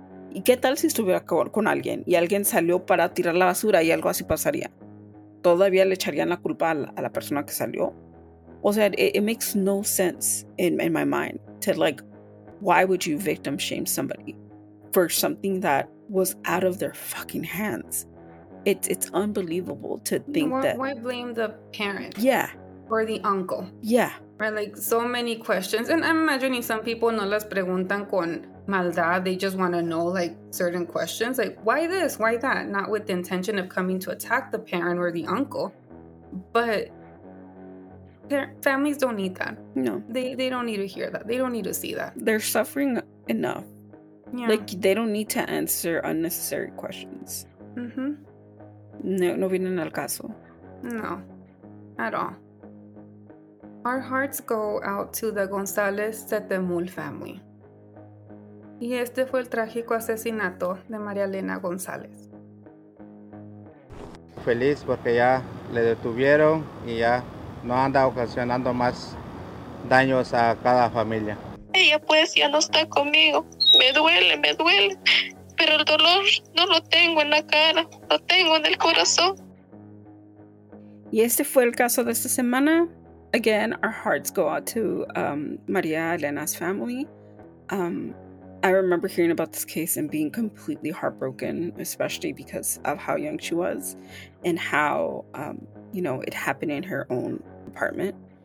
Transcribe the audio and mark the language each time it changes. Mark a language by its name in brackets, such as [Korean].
[Spanish] ¿Y qué tal si estuviera con alguien y alguien salió para tirar la basura y algo así pasaría? ¿Todavía le echarían la culpa a la persona que salió? O sea, [English] it makes no sense in my mind to, like, why would you victim shame somebody for something that was out of their fucking hands? It's unbelievable to think Why blame the parent? Yeah. Or the uncle? Yeah. Right, like, so many questions. And I'm imagining some people [Spanish] no las preguntan con... maldad. [English] They just want to know, like, certain questions. Like, why this? Why that? Not with the intention of coming to attack the parent or the uncle. But families don't need that. No. They don't need to hear that. They don't need to see that. They're suffering enough. Yeah. Like, they don't need to answer unnecessary questions. Mm-hmm. [Spanish] No, no vienen al caso. [English] No. At all. Our hearts go out to the González Setemul family. [Spanish] Y este fue el trágico asesinato de María Elena González. Feliz porque ya le detuvieron y ya no anda ocasionando más daños a cada familia. Ella pues ya no está conmigo. Me duele, pero el dolor no lo tengo en la cara, lo tengo en el corazón. Y este fue el caso de esta semana. [English] Again, our hearts go out to María Elena's family. I remember hearing about this case and being completely heartbroken, especially because of how young she was and how, you know, it happened in her own apartment.